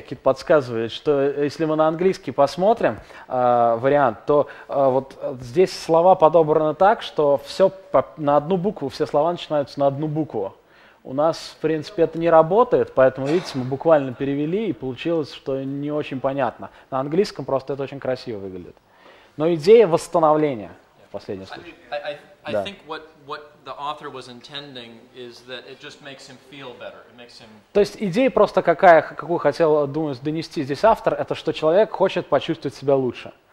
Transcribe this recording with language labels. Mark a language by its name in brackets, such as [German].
[Russian] Кит подсказывает, что если мы на английский посмотрим вариант, то вот здесь слова подобраны так, что все на одну букву, все слова начинаются на одну букву. У нас, в принципе, это не работает, поэтому, видите, мы буквально перевели, и получилось, что не очень понятно. На английском просто это очень красиво выглядит. Но идея восстановления, в последнем случае. [English] I think what the author was intending is that it just makes him feel better. It makes him. [Russian] То есть идея просто какая, какую хотел, думаю, донести здесь автор, это что человек хочет почувствовать себя лучше.